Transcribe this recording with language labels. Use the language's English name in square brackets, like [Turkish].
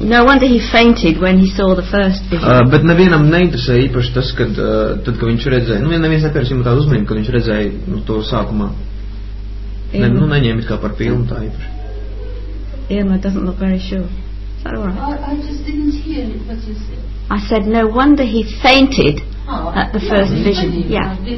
[English] No wonder he fainted when he saw the first vision. [Latvian] Bet nevienam neinteresēja īpaši tas, kad, tad, kad viņš redzēja. Nu, neviens nepierās jums tādu uzmanību, kad viņš redzēja, nu, to sākumā. Ne, nu, neņēma it kā par pilnu tā īpaši. [English] Irma doesn't look very sure. Is that all right? I just didn't hear it, but you see. I said, no wonder he fainted at the first vision. Yeah.